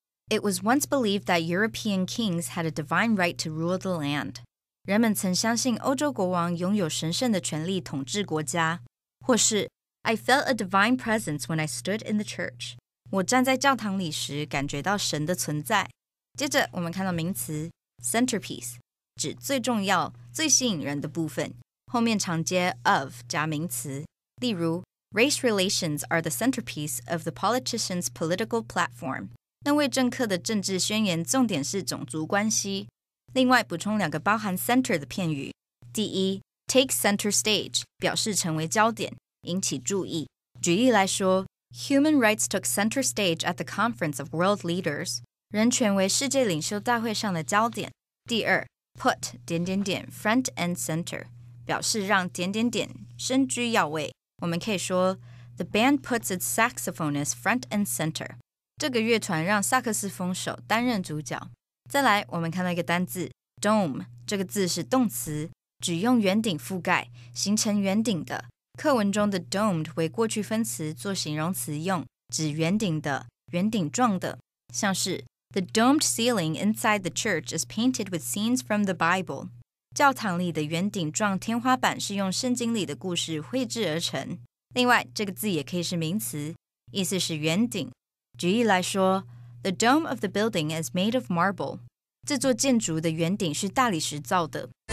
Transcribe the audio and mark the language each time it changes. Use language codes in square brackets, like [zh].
[en] It was once believed that European kings had a divine right to rule the land. [zh] 人们曾相信欧洲国王拥有神圣的权力统治国家。或是 [en] I felt a divine presence when I stood in the church. [zh] 我站在教堂里时感觉到神的存在。接着我们看到名词 centerpiece, 指最重要、最吸引人的部分。后面常接 of 加名词。例如 [en] race relations are the centerpiece of the politician's political platform. [zh] 那位政客的政治宣言重点是种族关系。另外补充两个包含 center 的片语。第一 [en] take center stage, [zh] 表示成为焦点引起注意。举例来说 [en] ,human rights took center stage at the conference of world leaders, [zh] 人权为世界领袖大会上的焦点。第二 put, 点点点 [en] front and center, [zh] 表示让点点点身居要位。我们可以说 , [en] the band puts its saxophonist front and center, [zh] 这个乐团让萨克斯风手担任主角。再来我们看到一个单字 dome, 这个字是动词指用圆顶覆盖形成圆顶的课文中的 domed 为过去分词做形容词用，指圆顶的、圆顶状的，像是 [en] The domed ceiling inside the church is painted with scenes from the Bible. [zh] 教堂里的圆顶状天花板是用圣经里的故事绘制而成。另外，这个字也可以是名词，意思是圆顶。举例来说 [en] The dome of the building is made of marble. [zh] 这座建筑的圆顶是大理石造的。